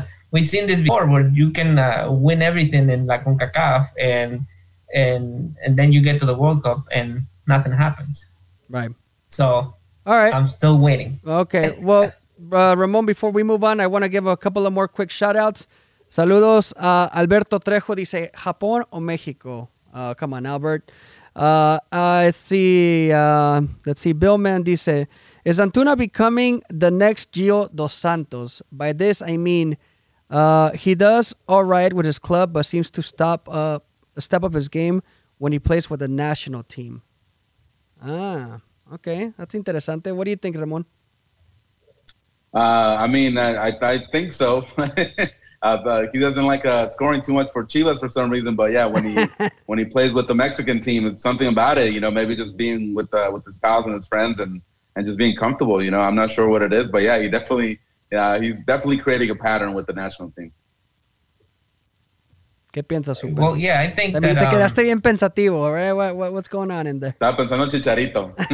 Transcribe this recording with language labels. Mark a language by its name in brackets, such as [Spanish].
[English] we've seen this before, where you can win everything in La CONCACAF and then you get to the World Cup and nothing happens. Right. So, all right. I'm still waiting. Okay. Well, Ramon, before we move on, I want to give a couple of more quick shout-outs. [Spanish] Saludos. Alberto Trejo dice, ¿Japón o México? [English] Come on, Albert. Let's see. Bill Mann dice, is Antuna becoming the next Gio Dos Santos? By this, I mean, he does all right with his club, but seems to step up his game when he plays with the national team. Ah, okay. That's interesante. What do you think, Ramon? I think so. he doesn't like scoring too much for Chivas for some reason, but yeah, when he when he plays with the Mexican team, it's something about it, you know, maybe just being with his pals and his friends and just being comfortable, you know. I'm not sure what it is, but yeah, he's definitely creating a pattern with the national team. [Spanish] ¿Qué piensas, [English] Super? Well, yeah, I think [Spanish] también that... Te quedaste bien pensativo, right? [English] What's going on in there? [Spanish] Estaba pensando en Chicharito.